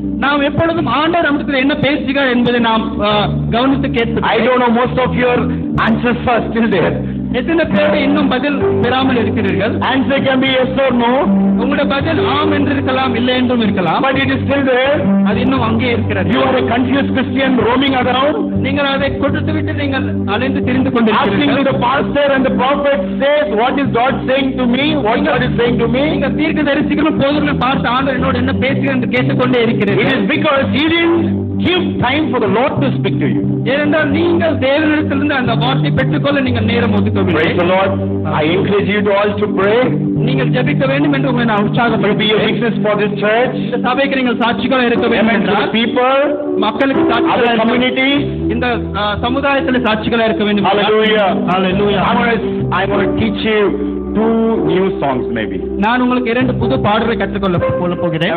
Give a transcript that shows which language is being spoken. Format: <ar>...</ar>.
<ta>நாம் எப்பொழுதும் ஆண்டவர் நம்மிடத்தில் என்ன பேசுகிறார் என்பதை நாம் கவனித்து கேட்பது.</ta> <en>I don't know, most of your answers are still there.</en> <ta>எத்தனை பேர் இன்னும் பதில் பெறாமல் இருக்கிறீர்கள்?</ta> <en>Answer can be yes or no.</en> <ta>உங்களுடைய பதில் ஆம் என்று இருக்கலாம், இல்லை என்றும் இருக்கலாம்.</ta> <en>But it is still there.</en> <ta>அது இன்னும் அங்கே இருக்கிறது.</ta> <en>You are a confused Christian roaming around.</en> <ta>நீங்கள் அதை கொடுத்துவிட்டு நீங்கள் அலைந்து திரிந்து கொண்டிருக்கிறீர்கள்.</ta> <en>Asking to the pastor and the prophet says, what is God saying to me? What God is saying to me?</en> <ta>நீங்கள் தீர்க்கதரிசிகளும் போதுமான பார்த்து ஆண்டவர் என்னோடு என்ன பேசுகிறார் என்று கேட்டுக்கொண்டே இருக்கிறீர்கள்.</ta> <en>It is because he didn't give time for the Lord to speak to you.</en> <ta>ஏனென்றால் நீங்கள் தேவனிடத்திலிருந்து அந்த வார்த்தை பெற்றுக்கொள்ள நீங்கள் நேரம் ஒதுக்கவில்லை.</ta> <en>Praise the Lord. I encourage you to all to pray.</en> <ta>நீங்கள் ஜெபிக்க வேண்டும் என்று உங்களை நான் உற்சாகப்படுத்துகிறேன்.</ta> <en>You be a witness for this church.</en> <ta>இந்த சபைக்கு நீங்கள் சாட்சிகளாக இருக்க வேண்டும்.</ta> <en>Amen. To the people.</en> <ta>மக்களுக்கு சாட்சிகளாக இருக்க வேண்டும். இந்த சமுதாயத்தில் சாட்சிகளாக இருக்க வேண்டும்.</ta> <en>Hallelujah. Hallelujah. I want to teach you two new songs maybe.</en> <ta>நான் உங்களுக்கு இரண்டு புது பாடல்களை கற்றுக்கொள்ள போகிறேன்.</ta>